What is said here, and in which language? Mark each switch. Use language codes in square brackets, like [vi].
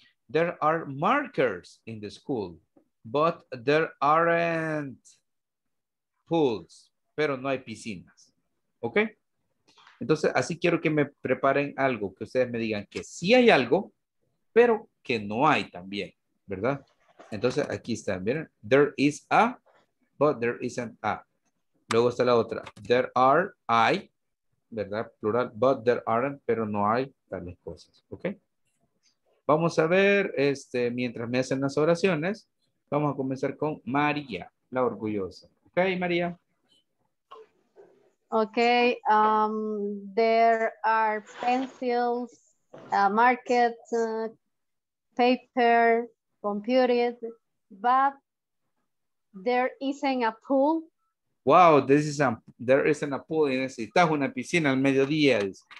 [en] There are markers in the school, but there aren't pools. [es] Pero no hay piscinas. ¿Ok? Entonces, así quiero que me preparen algo, que ustedes me digan que sí hay algo, pero que no hay también. ¿Verdad? Entonces, aquí está. Miren. [en] There is a, but there isn't a. [es] Luego está la otra. ¿Verdad? Plural. [en] But there aren't, [es] pero no hay tales cosas. ¿Ok? Vamos a ver, mientras me hacen las oraciones, vamos a comenzar con María, la orgullosa. ¿Ok, María? [en] Ok. There are pencils, markers, paper, computers, but there isn't a pool. Wow, there isn't a pool. [es] Necesitas una piscina al mediodía.